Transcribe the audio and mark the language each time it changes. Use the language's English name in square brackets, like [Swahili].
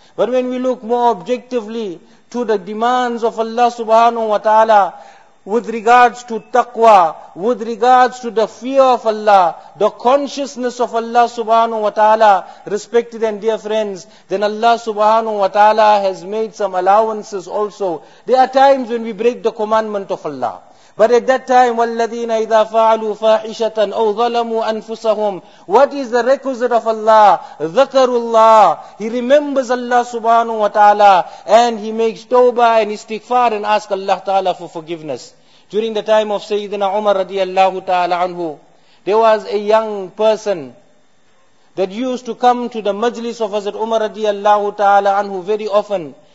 [English] But when we look more objectively to the demands of Allah subhanahu wa ta'ala with regards to taqwa, with regards to the fear of Allah, the consciousness of Allah subhanahu wa ta'ala, respected and dear friends, then Allah subhanahu wa ta'ala has made some allowances also. There are times when we break the commandment of Allah. But at that time, [Arabic] وَالَّذِينَ إِذَا فَعَلُوا فَاحِشَةً أَوْ ظَلَمُوا أَنفُسَهُمْ. [English] What is the requisite of Allah? [Arabic] ذَكَرُوا اللَّهِ. [English] He remembers Allah subhanahu wa ta'ala, and he makes tawbah and istighfar and asks Allah ta'ala for forgiveness. During the time of Sayyidina Umar radiallahu ta'ala anhu, there was a young person that used to come to the majlis of Hazrat Umar radiallahu ta'ala anhu very often.